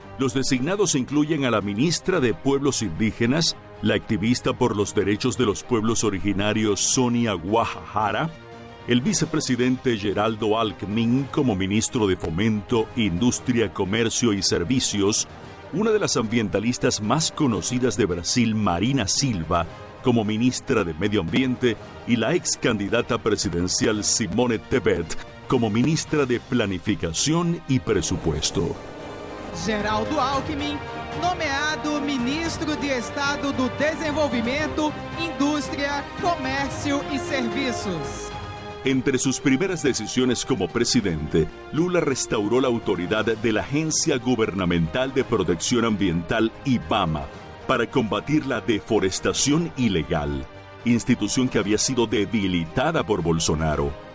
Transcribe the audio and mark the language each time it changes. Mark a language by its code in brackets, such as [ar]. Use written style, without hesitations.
[es] Los designados incluyen a la ministra de Pueblos Indígenas, la activista por los derechos de los pueblos originarios Sonia Guajajara, el vicepresidente Geraldo Alckmin como ministro de Fomento, Industria, Comercio y Servicios, una de las ambientalistas más conocidas de Brasil, Marina Silva, como ministra de Medio Ambiente, y la ex candidata presidencial Simone Tebet como ministra de Planificación y Presupuesto. [pt] Geraldo Alckmin, nomeado ministro de Estado do Desenvolvimento, Indústria, Comércio e Serviços. [es] Entre sus primeras decisiones como presidente, Lula restauró la autoridad de la Agencia Gubernamental de Protección Ambiental, IBAMA, para combatir la deforestación ilegal, institución que había sido debilitada por Bolsonaro.